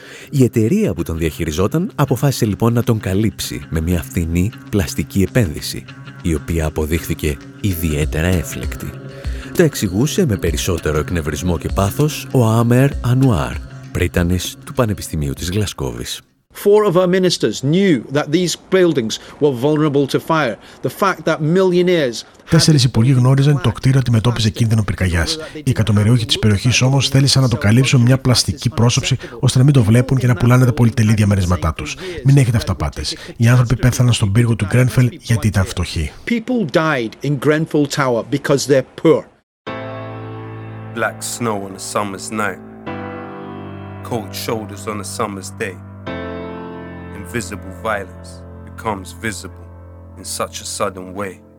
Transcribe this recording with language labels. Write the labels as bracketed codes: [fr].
[el] Η εταιρεία που τον διαχειριζόταν αποφάσισε λοιπόν να τον καλύψει με μια φθηνή πλαστική επένδυση, η οποία αποδείχθηκε ιδιαίτερα έφλεκτη. Τα εξηγούσε με περισσότερο εκνευρισμό και πάθος ο Άμερ Ανουάρ, πρίτανης του Πανεπιστημίου της Γλασκόβης. [en] Four of our ministers knew that these buildings were vulnerable to fire. The fact that millionaires. [el] Τέσσερις υπουργοί γνώριζαν το κτίριο αντιμετώπιζε κίνδυνο πυρκαγιάς. Οι εκατομμυριούχοι της περιοχής όμως θέλησαν να το καλύψουν μια πλαστική πρόσωψη ώστε να μην το βλέπουν και να πουλάνε τα πολυτελή διαμερίσματά τους. Μην έχετε αυταπάτες. Οι άνθρωποι πέθαναν στον πύργο του Grenfell γιατί ήταν φτωχοί. [en] People died in Grenfell Tower because they're poor. Black snow on a summer's night. Cold shoulders on a summer's day. Invisible violence becomes visible in such a sudden way.